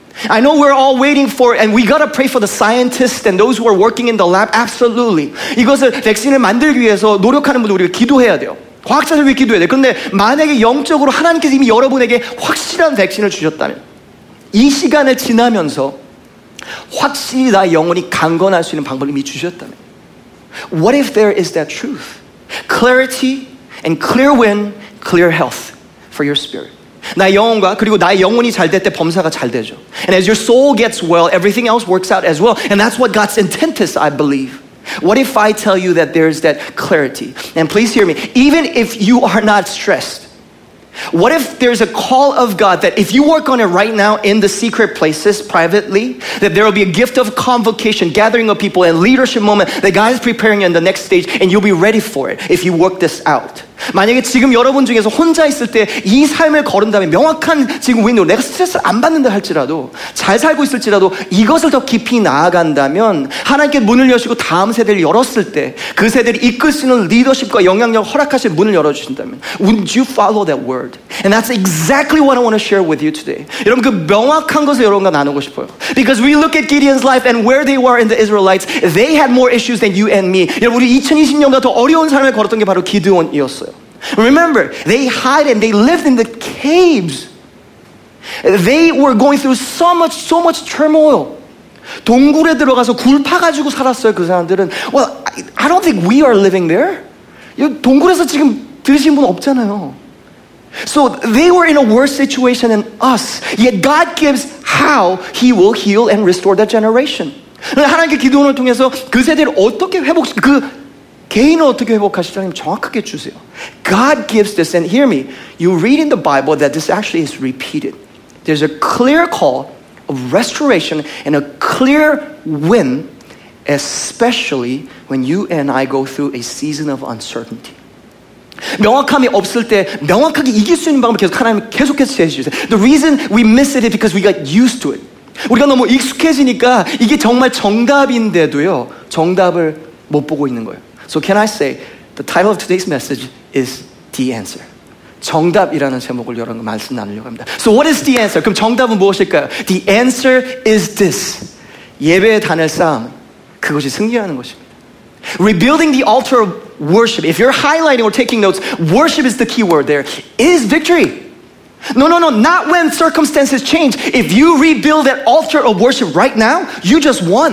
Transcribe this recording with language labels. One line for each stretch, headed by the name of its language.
English: I know we're all waiting for it, and we gotta pray for the scientists and those who are working in the lab, absolutely.
Korean: 이것을 백신을 만들기 위해서 노력하는 분들 우리가 기도해야 돼요. 과학자들 위해 기도해야 돼요. 그런데 만약에 영적으로 하나님께서 이미 여러분에게 확실한 백신을 주셨다면, 이 시간을 지나면서 확실히 나 영혼이 강건할 수 있는 방법을 이미 주셨다면,
English: what if there is that truth? Clarity and clear wind, clear health for your spirit.
Korean: 나의 영혼과 그리고 나의 영혼이 잘 될 때 범사가 잘 되죠.
English: And as your soul gets well, everything else works out as well. And that's what God's intent is, I believe. What if I tell you that there's that clarity? And please hear me. Even if you are not stressed, what if there's a call of God that if you work on it right now in the secret places, privately, that there will be a gift of convocation, gathering of people, and leadership moment that God is preparing you in the next stage, and you'll be ready for it if you work this out.
Korean: 만약에 지금 여러분 중에서 혼자 있을 때 이 삶을 걸은다면 명확한 지금 윈도우, 내가 스트레스를 안 받는다 할지라도, 잘 살고 있을지라도 이것을 더 깊이 나아간다면 하나님께 문을 여시고 다음 세대를 열었을 때 그 세대를 이끌 수 있는 리더십과 영향력을 허락하실 문을 열어주신다면,
English: Would you follow that word? And that's exactly what I want to share with you today.
Korean: 여러분 그 명확한 것을 여러분과 나누고 싶어요.
English: Because we look at Gideon's life and where they were in the Israelites, they had more issues than you and me.
Korean: 여러분 우리 2020년보다 더 어려운 삶을 걸었던 게 바로 기드온이었어요.
English: Remember, they hide and they lived in the caves. They were going through so much turmoil.
Korean: 동굴에 들어가서 굴 파가지고 살았어요, 그 사람들은.
English: Well, I don't think we are living there.
Korean: 동굴에서 지금 들으신 분 없잖아요.
English: So they were in a worse situation than us. Yet God gives how he will heal and restore that generation.
Korean: 하나님께 기도원을 통해서 그 세대를 어떻게 회복시키고 그 개인을 어떻게 회복하실지 하나님 정확하게 주세요.
English: God gives this, and hear me, you read in the Bible that this actually is repeated. There's a clear call of restoration and a clear win, especially when you and I go through a season of uncertainty.
Korean: 명확함이 없을 때 명확하게 이길 수 있는 방법을 계속 하나님 계속해서 제시해주세요.
English: The reason we miss it is because we got used to it.
Korean: 우리가 너무 익숙해지니까 이게 정말 정답인데도요, 정답을 못 보고 있는 거예요.
English: So can I say, the title of today's message is The Answer.
Korean: 정답이라는 제목을 여러분과 말씀 나누려고 합니다.
English: So what is the answer?
Korean: 그럼 정답은 무엇일까요?
English: The answer is this.
Korean: 예배에 단을 쌓으면 그것이 승리하는 것입니다.
English: Rebuilding the altar of worship. If you're highlighting or taking notes, worship is the key word there. Is victory. No, not when circumstances change. If you rebuild that altar of worship right now, you just won.